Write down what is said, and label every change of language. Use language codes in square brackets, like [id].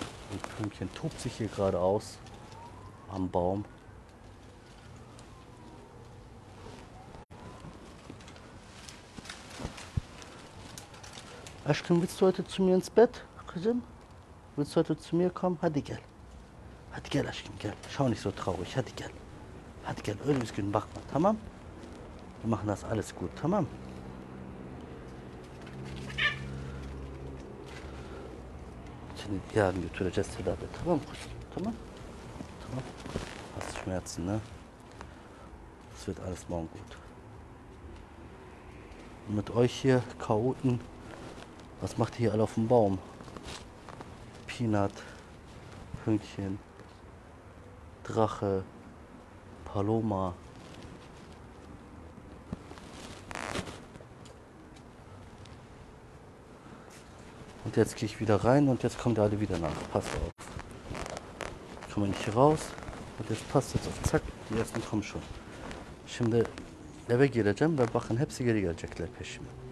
[de] Und Pünktchen tobt sich hier gerade aus am Baum. Aşkım, willst du heute zu mir ins Bett, Kızım? Willst du heute zu mir kommen? [tr] Hadi gel. Hadi gel, Aşkım, gel. [de] Schau nicht so traurig. [tr] Hadi gel. Hadi gel, öyle üzgün bakma, tamam? [de] Wir machen das alles gut, tamam? [tr] Yarın götüreceğiz tedavi. Tamam kuşum. Tamam. Tamam. [de] Hast du Schmerzen, [tr] ne? [de] Es wird alles morgen gut. Und mit euch hier, Chaoten, was macht ihr hier alle auf dem Baum? Peanut, Pünktchen, Drache, Paloma. Und jetzt gehe ich wieder rein und jetzt kommen die alle wieder nach. Passt auf. Kommen nicht hier raus. Und jetzt passt jetzt auf. Zack, die ersten kommen schon. [tr] Şimdi eve gireceğim ve bakın hepsi geri gelecekler peşime.